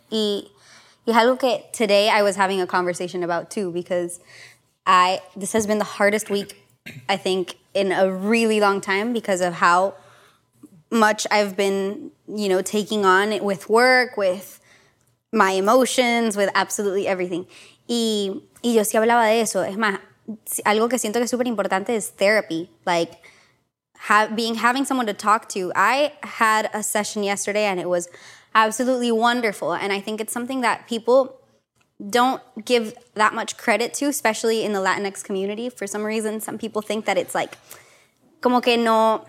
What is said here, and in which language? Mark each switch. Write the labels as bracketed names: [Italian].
[Spanish] Y es algo que [English] today I was having a conversation about too because this has been the hardest week, I think, in a really long time because of how much I've been, you know, taking on it with work, with my emotions, with absolutely everything. [Spanish] Y yo sí hablaba de eso. Es más, algo que siento que es súper importante es therapy. [English] Like, having someone to talk to. I had a session yesterday and it was absolutely wonderful. And I think it's something that people don't give that much credit to, especially in the Latinx community. For some reason, some people think that it's like, [Spanish] como que no...